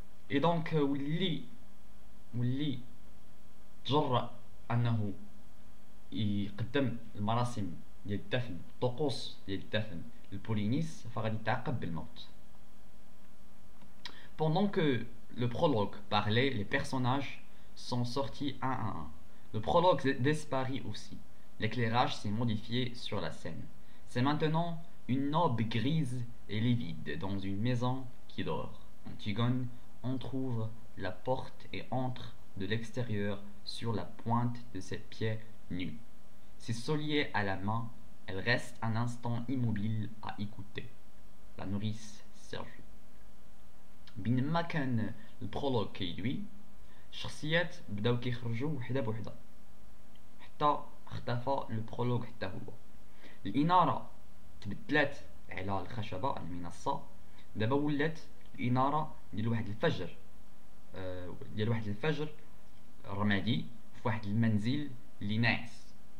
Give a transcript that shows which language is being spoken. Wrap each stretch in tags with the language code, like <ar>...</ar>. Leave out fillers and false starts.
<ar>اي دونك ولي تجرأ انه يقدم المراسم ديال الدفن، الطقوس ديال الدفن لبولينيس، فغادي يتعاقب بالموت.</ar> <fr>Pendant que le prologue parlait, les personnages sont sortis un à un. Le prologue disparaît aussi. L'éclairage s'est modifié sur la scène. C'est maintenant une aube grise et livide dans une maison qui dort. Antigone entr'ouvre la porte et entre de l'extérieur sur la pointe de ses pieds nus. Ses souliers à la main, elle reste un instant immobile à écouter. La nourrice Serge.</fr> <ar>Bin makan</ar> <fr>le prologue qui lui,</fr> <ar>شخصيات بداو كيخرجوا وحده بوحده حتى اختفى البرولوغ حتى هو. الاناره تبدلت على الخشبه المنصه، دابا ولات الاناره ديال واحد الفجر، ديال واحد الفجر رمادي في واحد المنزل اللي ناعس.</ar>